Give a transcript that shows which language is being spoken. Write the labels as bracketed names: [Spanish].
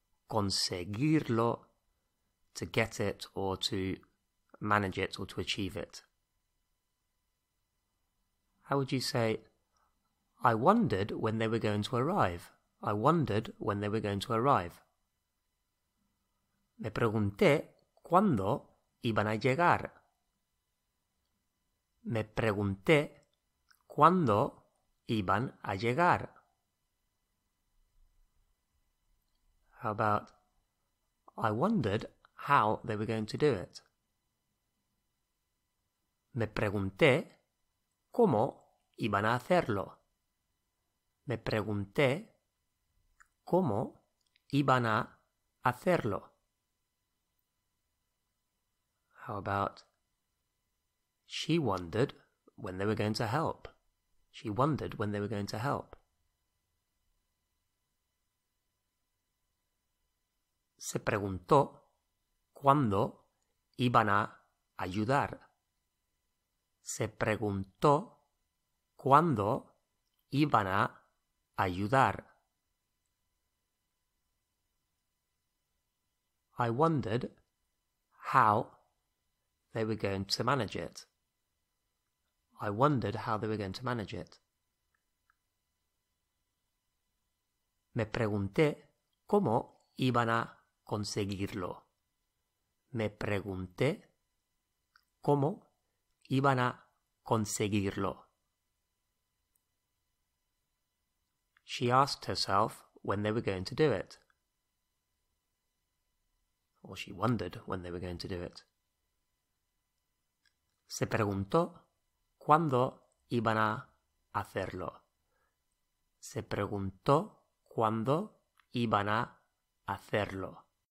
[English] Conseguirlo, to get it or to manage it or to achieve it. How would you say, I wondered when they were going to arrive? I wondered when they were going to arrive. [Spanish] Me pregunté cuándo iban a llegar. Me pregunté cuándo iban a llegar. [English] How about, I wondered how they were going to do it. Me pregunté cómo iban a hacerlo. Me pregunté cómo iban a hacerlo. How about, she wondered when they were going to help. She wondered when they were going to help. [Spanish] Se preguntó cuándo iban a ayudar. Se preguntó cuándo iban a ayudar. [English] I wondered how they were going to manage it. I wondered how they were going to manage it. [Spanish] Me pregunté cómo iban a conseguirlo. Me pregunté cómo iban a conseguirlo. [English] She asked herself when they were going to do it. Or she wondered when they were going to do it. [Spanish] Se preguntó cuándo iban a hacerlo. Se preguntó cuándo iban a hacerlo.